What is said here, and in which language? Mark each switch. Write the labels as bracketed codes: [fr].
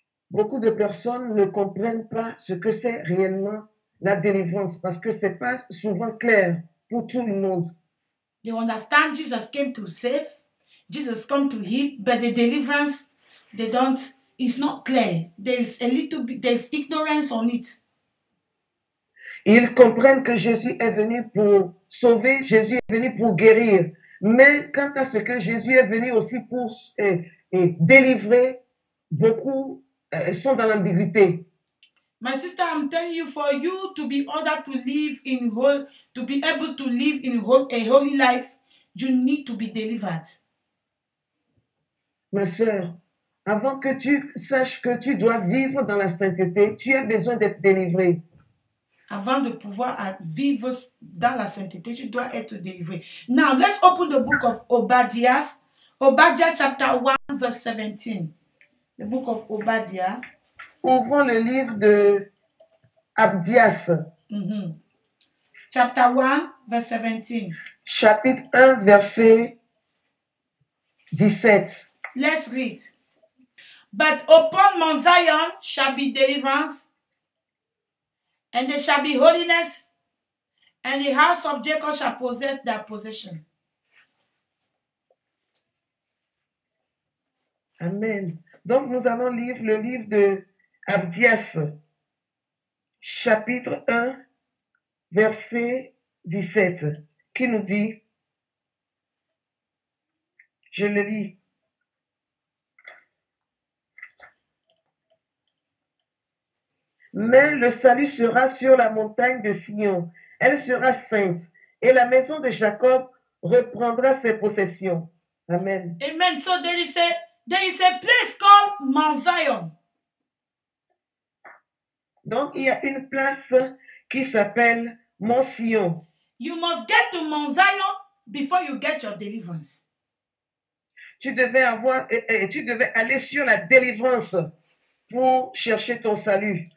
[fr] Beaucoup de personnes ne comprennent pas ce que c'est réellement la délivrance parce que ce n'est pas souvent clair pour tout le monde. [en] They understand Jesus came to save, Jesus came to heal, but the deliverance, they don't, it's not clear. There's ignorance on it. [fr] Ils comprennent que Jésus est venu pour sauver, Jésus est venu pour guérir. Mais quant à ce que Jésus est venu aussi pour délivrer, beaucoup sont dans l'ambiguïté. [en] My sister, I'm telling you, for you to be ordered to live in whole, to be able to live in whole, a holy life, you need to be delivered. [fr] Ma soeur, avant que tu saches que tu dois vivre dans la sainteté, tu as besoin d'être délivré. Avant de pouvoir vivre dans la sainteté, tu dois être délivré. [en] Now, let's open the book of Obadiah chapter 1, verse 17. The book of Obadiah. [fr] Ouvrons le livre de Abdias. [en] Mm-hmm. Chapter 1, verse 17. [fr] Chapitre 1, verset 17. [en] Let's read. But upon Mount Zion shall be deliverance, and there shall be holiness, and the house of Jacob shall possess their possession. Amen. [fr] Donc, nous allons lire le livre de Abdias, chapitre 1, verset 17, qui nous dit, je le lis. Mais le salut sera sur la montagne de Sion, elle sera sainte, et la maison de Jacob reprendra ses possessions. Amen. [en] Amen. So there is a... There is a place called Mount Zion. [fr] Donc, il y a une place qui s'appelle Mont Sion. [en] You must get to Mount Zion before you get your deliverance. [fr] tu devais aller sur la délivrance pour chercher ton salut.